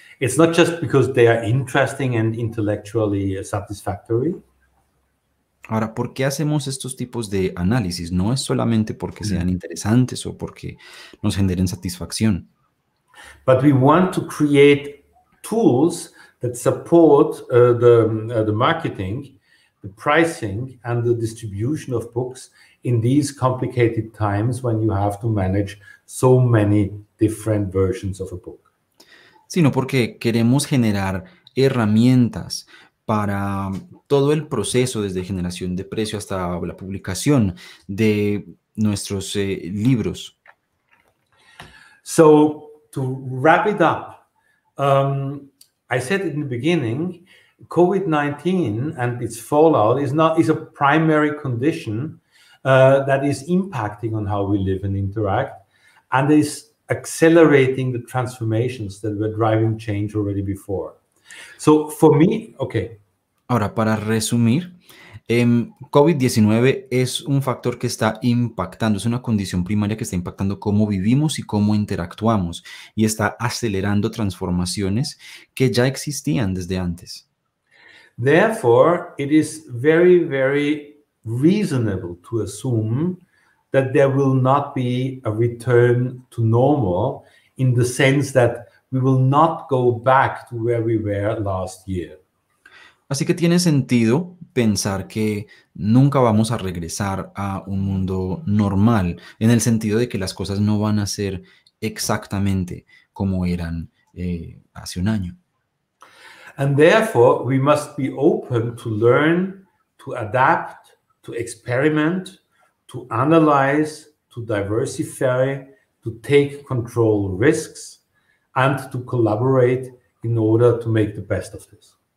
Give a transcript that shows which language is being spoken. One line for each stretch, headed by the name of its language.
English: It's not just because they are interesting and intellectually satisfactory.
Spanish: Ahora, ¿por qué hacemos estos tipos de análisis? No es solamente porque sean interesantes o porque nos generen satisfacción.
English: But we want to create tools that support the marketing, the pricing, and the distribution of books in these complicated times when you have to manage so many different versions of a book.
Spanish: Sino porque queremos generar herramientas para todo el proceso desde generación de precio hasta la publicación de nuestros libros.
English: So, to wrap it up, I said in the beginning, COVID-19 and its fallout is a primary condition that is impacting on how we live and interact and is accelerating the transformations that were driving change already before. So, for me, okay.
Spanish: Ahora, para resumir, COVID-19 es un factor que está impactando, es una condición primaria que está impactando cómo vivimos y cómo interactuamos y está acelerando transformaciones que ya existían desde antes.
English: Therefore, it is very, very reasonable to assume that there will not be a return to normal in the sense that we will not go back to where we were last year.
Spanish: Así que tiene sentido pensar que nunca vamos a regresar a un mundo normal, en el sentido de que las cosas no van a ser exactamente como eran hace un año.
English: And therefore, we must be open to learn, to adapt, to experiment, to analyze, to diversify, to take control risks, and to collaborate in order to make the best of this.